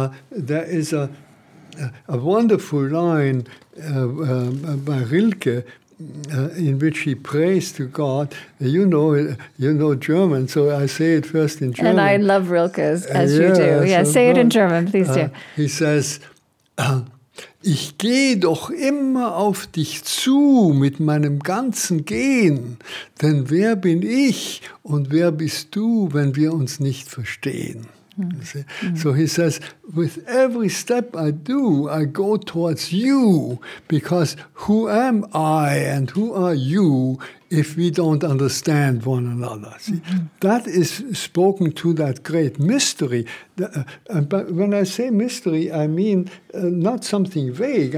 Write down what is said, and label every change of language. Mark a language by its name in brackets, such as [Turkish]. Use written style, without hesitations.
[English] There is a wonderful line by Rilke in which he prays to God. You know German, so I say it first in German. And I love Rilke, as you do. Yeah, so say it in German, please do. He says, [German] ich gehe doch immer auf dich zu mit meinem ganzen Gehen, denn wer bin ich und wer bist du, wenn wir uns nicht verstehen? [English] So he says, with every step I do, I go towards you, because who am I and who are you if we don't understand one another? See? Mm-hmm. That is spoken to that great mystery. But when I say mystery, I mean not something vague.